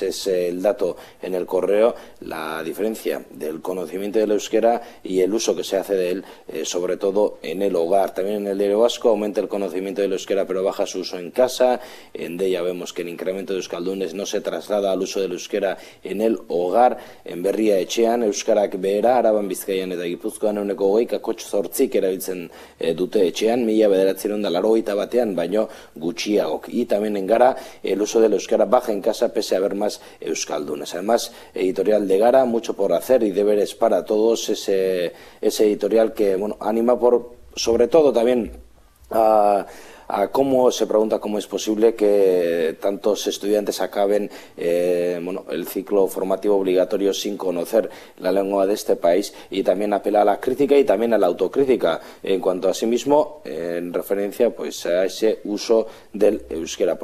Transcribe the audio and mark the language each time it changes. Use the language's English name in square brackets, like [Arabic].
[Spanish] Es el dato en El Correo, la diferencia del conocimiento del euskera y el uso que se hace de él, sobre todo en el hogar. También en el Diario Vasco aumenta el conocimiento del euskera, pero baja su uso en casa. En Deia vemos que el incremento de euskaldunes no se traslada al uso del euskera en el hogar. [Basque] En Berria Etxean, euskarak behera, Araban, Bizkaian eta Gipuzkoan ehuneko 20 kotx 8 erabiltzen dute etxean, 1981 baino gutxiagok. [Spanish] Y también en Gara, el uso del euskera baja en casa pese a haber más euskaldunes. Además, editorial de Gara, mucho por hacer y deberes para todos, ese editorial que, bueno, anima por sobre todo también a cómo se pregunta cómo es posible que tantos estudiantes acaben el ciclo formativo obligatorio sin conocer la lengua de este país, y también apela a la crítica y también a la autocrítica en cuanto a sí mismo, en referencia pues a ese uso del euskera.